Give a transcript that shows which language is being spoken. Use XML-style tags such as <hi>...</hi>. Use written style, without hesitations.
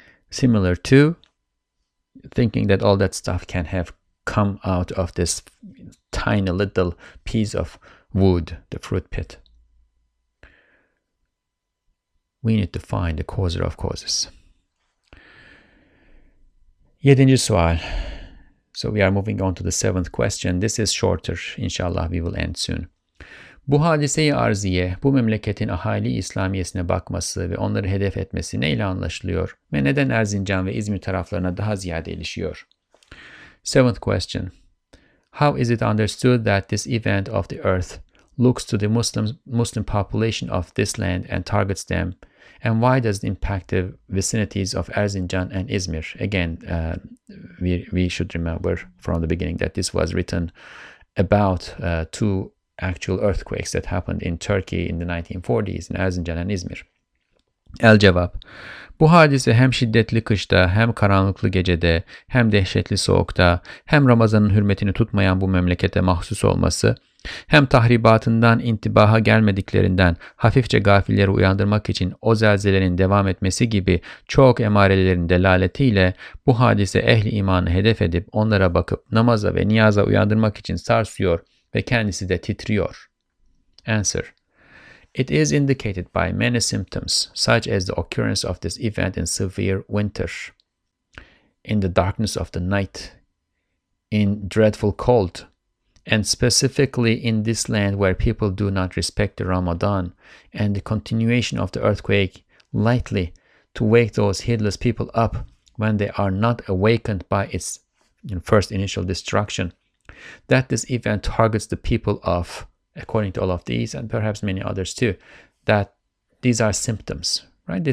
<en>Similar to thinking that all that stuff can have come out of this tiny little piece of wood, the fruit pit. We need to find the causer of causes.</en> <tr>Yedinci sual.</tr> <en>So we are moving on to the seventh question. This is shorter. Inshallah we will end soon.</en> <tr>Bu hadiseyi arziye, bu memleketin ahali İslamiyesine bakması ve onları hedef etmesi neyle anlaşılıyor ve neden Erzincan ve İzmir taraflarına daha ziyade ilişiyor?</tr> <en>Seventh question. How is it understood that this event of the earth looks to the Muslim population of this land and targets them? And why does it impact the vicinities of Erzincan and Izmir? Again, we should remember from the beginning that this was written about two actual earthquakes that happened in Turkey in the 1940s in Erzincan and Izmir.</en> <tr>El cevap. Bu hadise hem şiddetli kışta, hem karanlıklı gecede, hem dehşetli soğukta, hem Ramazan'ın hürmetini tutmayan bu memlekete mahsus olması, hem tahribatından intibaha gelmediklerinden hafifçe gafilleri uyandırmak için o zelzelenin devam etmesi gibi çok emarelerin delaletiyle bu hadise ehli imanı hedef edip onlara bakıp namaza ve niyaza uyandırmak için sarsıyor ve kendisi de titriyor.</tr> <en>Answer. It is indicated by many symptoms, such as the occurrence of this event in severe winter, in the darkness of the night, in dreadful cold, and specifically in this land where people do not respect the Ramadan, and the continuation of the earthquake lightly to wake those heedless people up when they are not awakened by its first initial destruction, that this event targets the people of, according to all of these, and perhaps many others too, that these are symptoms, right?</en>